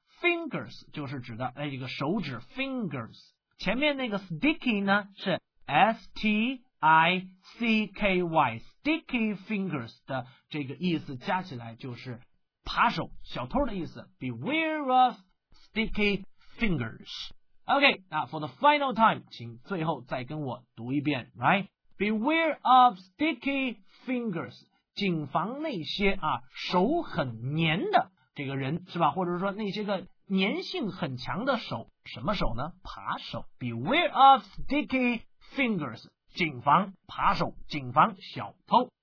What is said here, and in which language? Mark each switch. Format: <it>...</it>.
<zh>fingers 就是指的这个手指 fingers。前面那个 sticky 呢，是 sticky sticky fingers 的这个意思，加起来就是扒手，小偷的意思。</zh> <en>beware of sticky fingers。 OK, now for the final time, 请最后再跟我读一遍 right?</en> <zh>Beware of sticky fingers, 谨防那些啊手很黏的这个人，是吧？或者说那些个黏性很强的手，什么手呢？扒手。 Beware of sticky fingers, 谨防扒手，谨防小偷。</zh>